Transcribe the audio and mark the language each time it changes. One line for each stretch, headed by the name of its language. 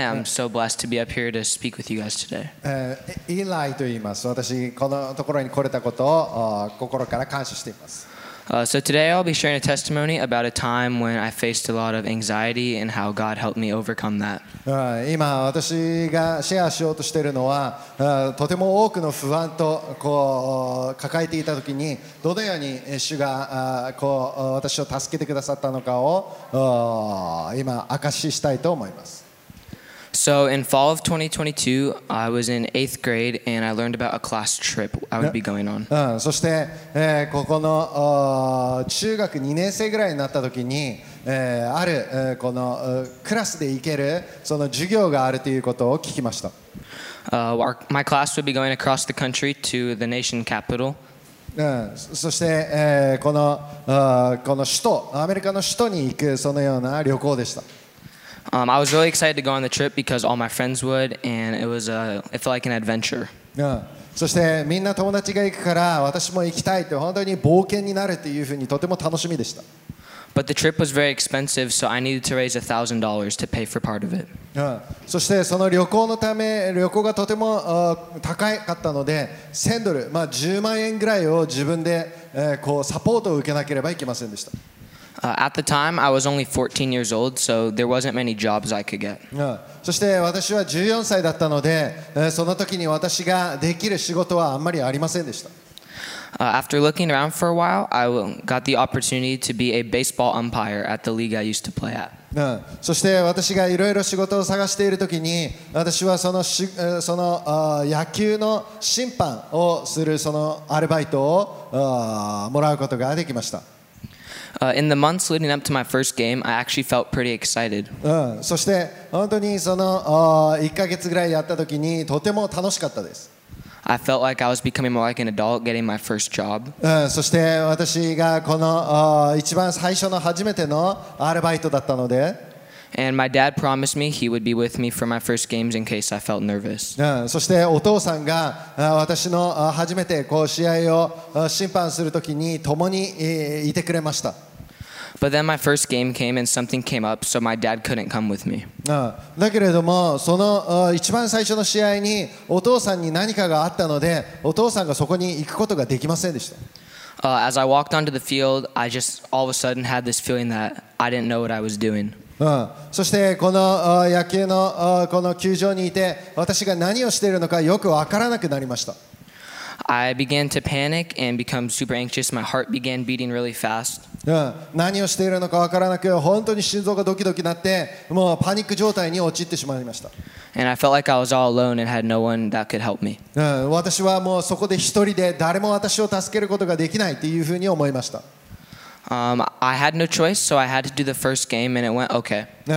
English: I'm so blessed to be up here to speak with you guys today.
Japanese: Eli と言います。私このところに来れたことを心から感謝しています。
English: So today I'll be sharing a testimony about a time when I faced a lot of anxiety and how God helped me overcome that.
Japanese: 今私がシェアしようとしているのは、とても多くの不安とこう抱えていた時に、どのように主がこう私を助けてくださったのかを今証ししたいと思います。
English: So in fall of 2022, I was in 8th grade and I learned about a class trip I would be going on.
Japanese: そして、ここの、中学2年生ぐらいになった時に、ある、この、クラスで行けるその授業があるということを聞きました。
English: My class would be going across the country to the nation capital.
Japanese: そして、この、この首都、アメリカの首都に行くそのような旅行でした。
English: I was really excited to go on the trip because all my friends would, and it was it felt like an adventure.
Japanese: そしてみんな友達が行くから私も行きたいって本当に冒険になるっていうふうにとても楽しみでした。
English: But the trip was very expensive, so I needed to raise $1,000 to pay for part of it.
Japanese: そしてその旅行のため旅行がとても高かったので1000ドル、まあ10万円ぐらいを自分でこうサポートを受けなければいけませんでした。
English: At the time, I was only 14 years old, so there wasn't many jobs I could get.
Japanese: そして私は14歳だったので、その時に私ができる仕事はあんまりありませんでした。
English: After looking around for a while, I got the opportunity to be a baseball umpire at the league I used to play at.
Japanese: そして私がいろいろ仕事を探している時に、私はその野球の審判をするそのアルバイトをもらうことができました。
English: In the months leading up to my first game, I actually felt pretty excited.
Japanese: そして本当にその1ヶ月ぐらいやった時にとても楽しかったです。
English: I felt like I was becoming more like an adult getting my first job.
Japanese: そして私がこの一番最初の初めてのアルバイトだったので。
English: And my dad promised me he would be with me for my first games in case I felt nervous.
Japanese: そしてお父さんが私の初めてこう試合を審判するときに共にいてくれました。
English: But then my first game came and something came up, so my dad couldn't come with me.
Japanese: だけれどもその一番最初の試合にお父さんに何かがあったので、お父さんがそこに行くことができませんでした。
English: As I walked onto the field, I just all of a sudden had this feeling that I didn't know what I was doing.
Japanese: そしてこの野球のこの球場にいて私が何をしているのかよく分からなくなりました。
English: I began to panic and become super anxious. My heart began beating really fast.
Japanese: 何をしているのか分からなく本当に心臓がドキドキなってもうパニック状態に陥ってしまいました。
English: And I felt like I was all alone and had no one that could help me.
Japanese: 私はもうそこで一人で誰も私を助けることができないというふうに思いました。
English: I had no choice, so I had to do the first game, and it went okay.